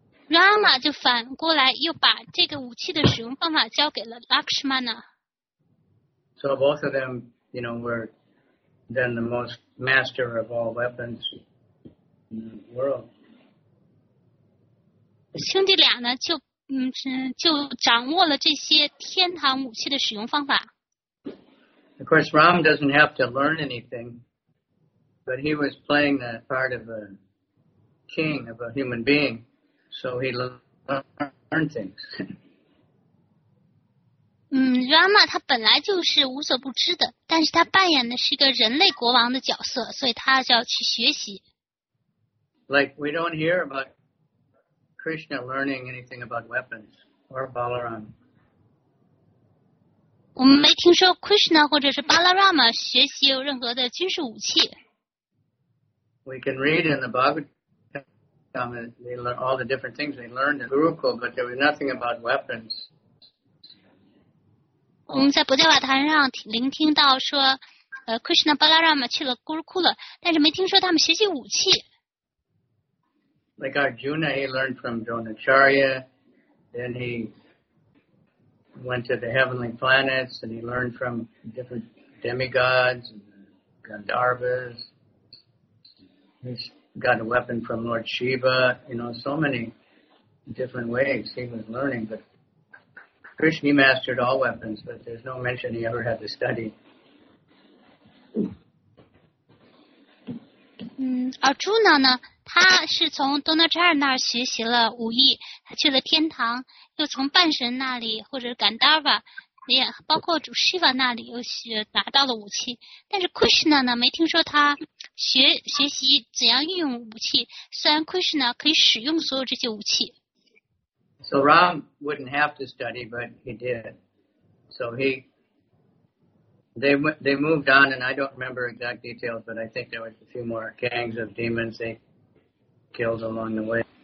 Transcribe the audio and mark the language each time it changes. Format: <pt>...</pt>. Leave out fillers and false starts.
<zh>Rama 就反过来又把这个武器的使用方法交给了 Lakshmana.</zh> <en>So both of them, you know, were then the most master of all weapons in the world.</en> <zh>兄弟俩呢就掌握了这些天堂武器的使用方法。</zh> <en>Of course, Ram doesn't have to learn anything, but he was playing the part of a king, of a human being, so he learned things.</en> <zh>Rama, 他本来就是无所不知的，但是他扮演的是一个人类国王的角色，所以他就要去学习。</zh> <en>Like, we don't hear about Krishna learning anything about weapons or Balaram.</en> <zh>我们没听说 Krishna 或者是 Balarama 学习有任何的军事武器。</zh> <en>We can read in the Bhagavatam all the different things they learned in Gurukul, but there was nothing about weapons.</en> <zh>我们在《不教瓦坛》上聆听到说，Krishna Balarama 去了 Gurukul 了，但是没听说他们学习武器。</zh> <en>Like Arjuna, he learned from Dronacharya, then he. Went to the heavenly planets and he learned from different demigods and Gandharvas. He's got a weapon from Lord Shiva. You know, so many different ways he was learning. But Krishna, he mastered all weapons, but there's no mention he ever had to study.</en> <zh>而朱娜呢，他是从多纳扎尔那儿学习了武艺，他去了天堂，又从半神那里或者甘达尔瓦，也包括主西瓦那里，又学达到了武器。但是Krishna呢，没听说他学习怎样运用武器。虽然Krishna可以使用所有这些武器。</zh> <en>So Ram wouldn't have to study, but he did. So they moved on, and I don't remember exact details, but I think there was a few more gangs of demons they killed along the way.</en>